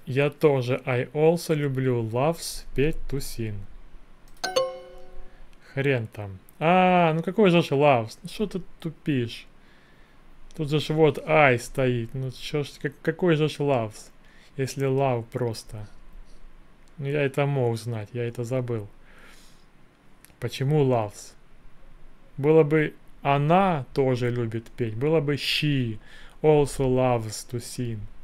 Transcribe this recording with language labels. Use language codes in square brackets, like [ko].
[ru] Я тоже [en] I also люблю loves петь to sing. [ru] Хрен там. А, ну какой же loves? Ну что ты тупишь? Тут же вот I стоит. Ну что ж, какой же loves? Если love просто. Ну я это мог знать, я это забыл. Почему loves? Было бы она тоже любит петь. [en] Было бы she also loves to sing.